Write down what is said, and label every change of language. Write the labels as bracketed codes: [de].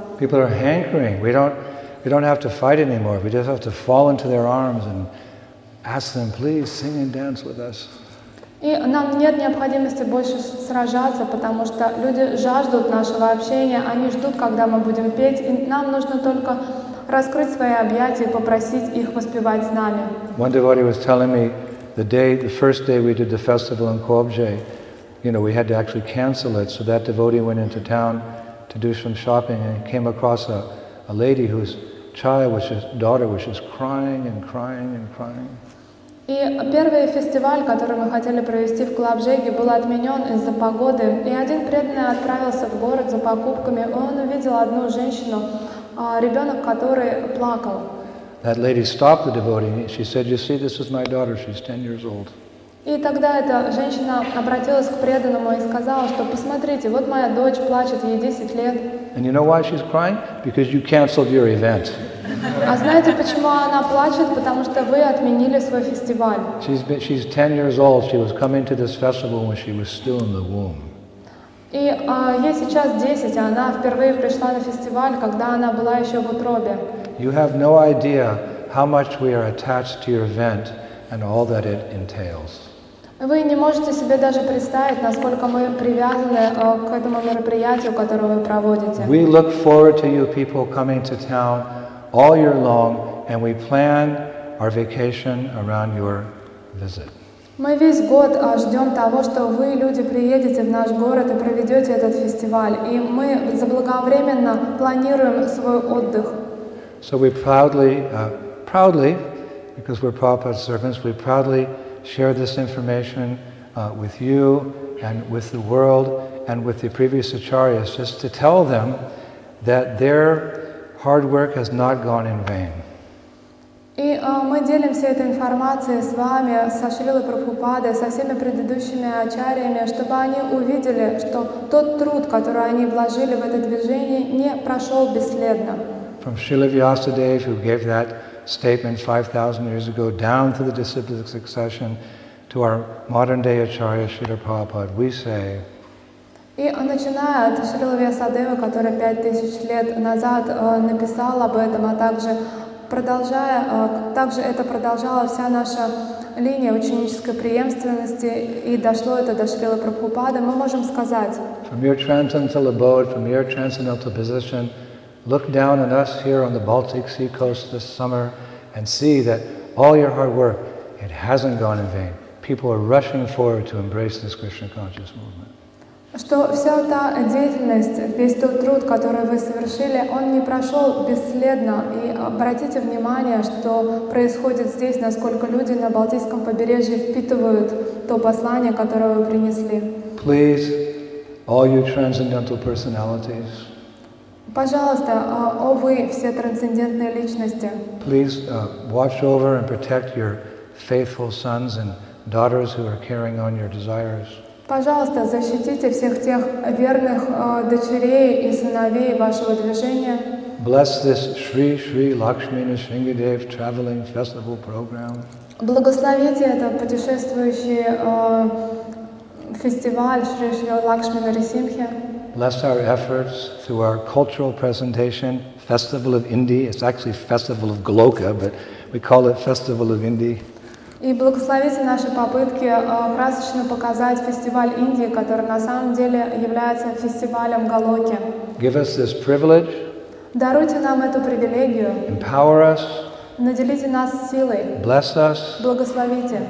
[en] People are hankering. We don't have to fight anymore. We just have to fall into their arms and ask them, please sing and dance with us. [ru] И нам нет необходимости больше сражаться, потому что люди жаждут нашего общения, они ждут, когда мы будем петь, и нам нужно только раскрыть свои объятия и попросить их воспевать с нами. [en] One devotee was telling me the first day we did the festival in Kobje, you know, we had to actually cancel it, so that devotee went into town to do some shopping and came across a lady whose child, which his daughter, was just crying and crying and crying. [ru] И первый фестиваль, который мы хотели провести в Клабжеге, был отменен из-за погоды. И один преданный отправился в город за покупками, и он увидел одну женщину, ребенок которой плакал. [en] That lady stopped the devotee. She said, "You see, this is my daughter. She's 10 years old." [ru] И тогда эта женщина обратилась к преданному и сказала, что посмотрите, вот моя дочь плачет, ей 10 лет. [en] And you know why she's crying? Because you canceled your event. [ru] А знаете, почему она плачет? Потому что вы отменили свой фестиваль. [en] She's 10 years old. She was coming to this festival when she was still in the womb. [ru] И ей сейчас 10, а она впервые пришла на фестиваль, когда она была еще в утробе. [en] You have no idea how much we are attached to your event and all that it entails. [ru] Вы не можете себе даже представить, насколько мы привязаны к этому мероприятию, которое вы проводите. [en] We look forward to you people coming to town all year long, and we plan our vacation around your visit. [ru] Мы весь год ждем того, что вы, люди, приедете в наш город и проведете этот фестиваль, и мы заблаговременно планируем свой отдых. [en] So we proudly, because we're Prabhupada's servants, we proudly share this information with you and with the world and with the previous acharyas, just to tell them that their hard work has not gone in vain. [ru] И мы делимся этой информацией с вами, со Шрилой Прабхупадой, со всеми предыдущими ачарьями, чтобы они увидели, что тот труд, который они вложили в это движение, не прошел бесследно. [en] From Srila Vyasadeva, who gave that statement 5,000 years ago, down to the disciples of succession, to our modern-day Acharya Srila Prabhupada, we say, [ru] и начиная от Шрилы Вьясадевы, которая 5000 лет назад написала об этом, а также продолжая, также это продолжала вся наша линия ученической преемственности, и дошло это до Шрилы Прабхупады, мы можем сказать, [en] from your transcendental abode, from your transcendental position, look down on us here on the Baltic Sea coast this summer and see that all your hard work, it hasn't gone in vain. People are rushing forward to embrace this Krishna conscious movement. [ru] Что вся та деятельность, весь тот труд, который вы совершили, он не прошел бесследно. И обратите внимание, что происходит здесь, насколько люди на Балтийском побережье впитывают то послание, которое вы принесли. [en] Please, all you transcendental personalities. [ru] Пожалуйста, о вы, все трансцендентные личности. [en] Please, watch over and protect your faithful sons and daughters who are carrying on your desires. [ru] Пожалуйста, защитите всех тех верных дочерей и сыновей вашего движения. [en] Bless this Shri Shri Lakshmi Nrisimhadev traveling festival program. [ru] Благословите этот путешествующий фестиваль Shri Shri Lakshmi Nrisimha. [en] Bless our efforts through our cultural presentation, Festival of Indy. It's actually Festival of Goloka, but we call it Festival of Indy. [ru] И благословите наши попытки красочно показать фестиваль Индии, который на самом деле является фестивалем Голоки. [en] Give us this privilege. [ru] Даруйте нам эту привилегию. [en] Empower us. [ru] Наделите нас силой. [en] Bless us. [ru] Благословите.